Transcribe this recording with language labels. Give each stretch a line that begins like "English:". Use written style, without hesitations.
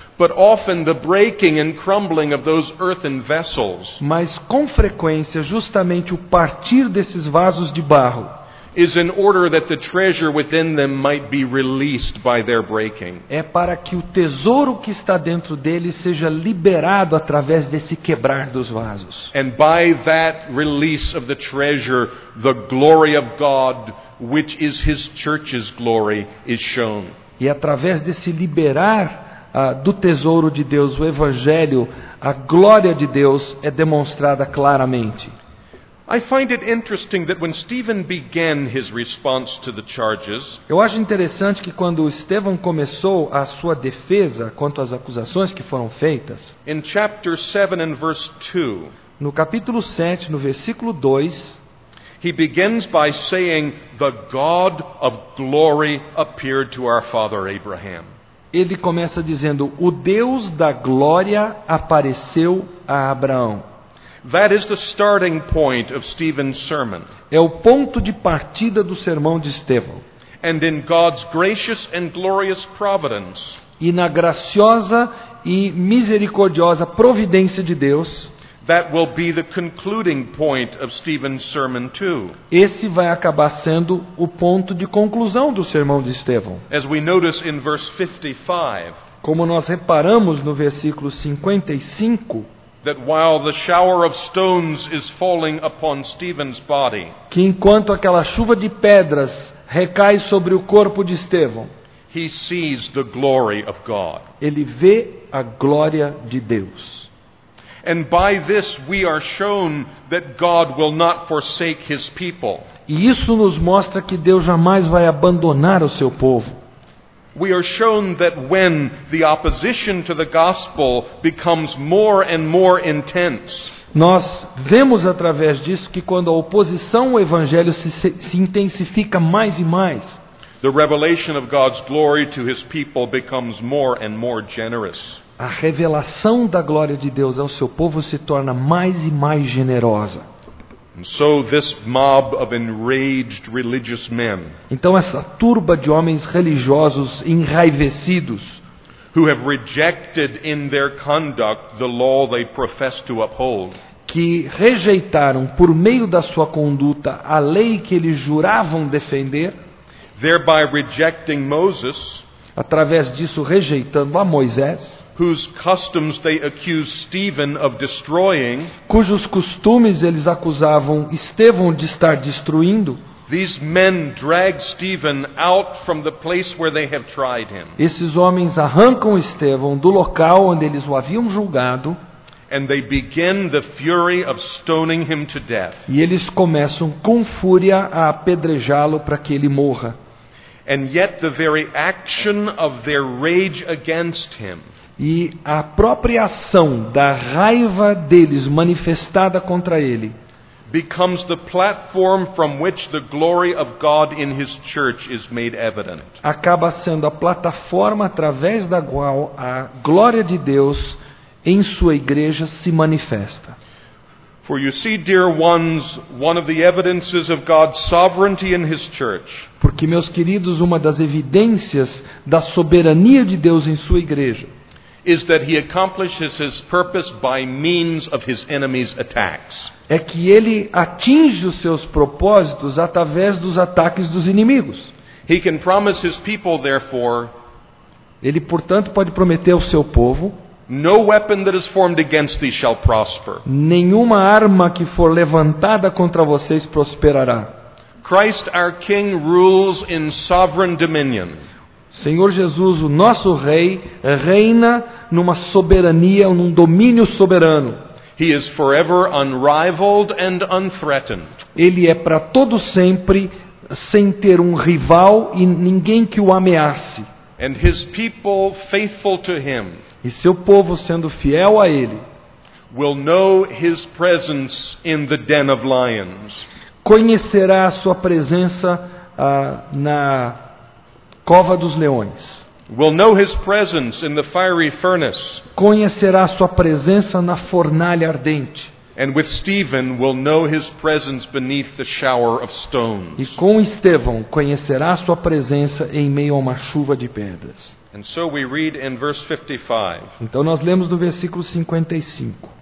English: But often the breaking and crumbling of those earthen vessels.
Portuguese: Mas com frequência, justamente o partir desses vasos de barro.
English: Is in order that the treasure within them might be released by their breaking.
Portuguese: É para que o tesouro que está dentro deles seja liberado através desse quebrar dos vasos.
English: And by that release of the treasure, the glory of God, which is his church's glory, is shown.
Portuguese: E através desse liberar do tesouro de Deus, o Evangelho, a glória de Deus é demonstrada claramente.
English: I find it interesting that when Stephen began his response to the charges,
Portuguese: eu acho interessante que quando Estevão começou a sua defesa quanto às acusações que foram feitas,
English: in chapter 7 and verse 2,
Portuguese: no capítulo 7, no versículo 2,
English: he begins by saying, "The God of glory appeared to our father Abraham."
Portuguese: Ele começa dizendo, "O Deus da glória apareceu a Abraão."
English: That is the starting point of Stephen's sermon.
Portuguese: É o ponto de partida do sermão de Estevão.
English: And in God's gracious and glorious providence,
Portuguese: e na graciosa e misericordiosa providência de Deus,
English: that will be the concluding point of Stephen's sermon too.
Portuguese: Esse vai acabar sendo o ponto de conclusão do sermão de Estevão.
English: As we notice in verse 55,
Portuguese: como nós reparamos no versículo 55,
English: that while the shower of stones is falling upon Stephen's body,
Portuguese: que enquanto aquela chuva de pedras recai sobre o corpo de Estevão,
English: he sees the glory of God.
Portuguese: Ele vê a glória de Deus.
English: And by this we are shown that God will not forsake his people.
Portuguese: E isso nos mostra que Deus jamais vai abandonar o seu povo.
English: We are shown that when the opposition to the gospel becomes more and more intense,
Portuguese: nós vemos através disso que quando a oposição ao evangelho se intensifica mais e mais,
English: the revelation of God's glory to his people becomes more and more generous.
Portuguese: A revelação da glória de Deus ao seu povo se torna mais e mais generosa.
English: So this mob of enraged religious men,
Portuguese: então essa turba de homens religiosos enraivecidos,
English: who have rejected in their conduct the law they profess to uphold,
Portuguese: que rejeitaram por meio da sua conduta a lei que eles juravam defender,
English: thereby rejecting Moses,
Portuguese: através disso rejeitando a Moisés,
English: whose customs they accused Stephen of destroying,
Portuguese: cujos costumes eles acusavam Estevão de estar destruindo.
English: These men drag Stephen out from the place where they have tried him.
Portuguese: Esses homens arrancam Estevão do local onde eles o haviam julgado.
English: And they begin the fury of stoning him to death.
Portuguese: E eles começam com fúria a apedrejá-lo para que ele morra.
English: And yet the very action of their rage against him,
Portuguese: e a própria ação da raiva deles manifestada contra ele,
English: becomes the platform from which the glory of God in his church is made evident.
Portuguese: Acaba sendo a plataforma através da qual a glória de Deus em sua igreja se manifesta.
English: For you see, dear ones, one of the evidences of God's sovereignty in his church,
Portuguese: porque, meus queridos, uma das evidências da soberania de Deus em sua igreja,
English: is that he accomplishes his purpose by means of his enemies' attacks.
Portuguese: É que ele atinge os seus propósitos através dos ataques dos inimigos.
English: He can promise his people, therefore,
Portuguese: ele, portanto, pode prometer ao seu povo,
English: no weapon that is formed against thee shall prosper.
Portuguese: Nenhuma arma que for levantada contra vocês prosperará.
English: Christ our King rules in sovereign dominion.
Portuguese: Senhor Jesus, o nosso rei, reina numa soberania, num domínio soberano.
English: He is forever unrivaled and unthreatened.
Portuguese: Ele é para todo sempre sem ter um rival e ninguém que o ameace.
English: And his people faithful to him,
Portuguese: e seu povo sendo fiel a ele,
English: will know his presence in the den of lions.
Portuguese: Conhecerá a sua presença na cova dos leões.
English: Will know his presence in the fiery furnace.
Portuguese: Conhecerá a sua presença na fornalha ardente.
English: And with Stephen will know his presence beneath the shower of stones.
Portuguese: E com Estevão conhecerá a sua presença em meio a uma chuva de pedras.
English: And so we read in verse 55.
Portuguese: Então nós lemos no versículo 55.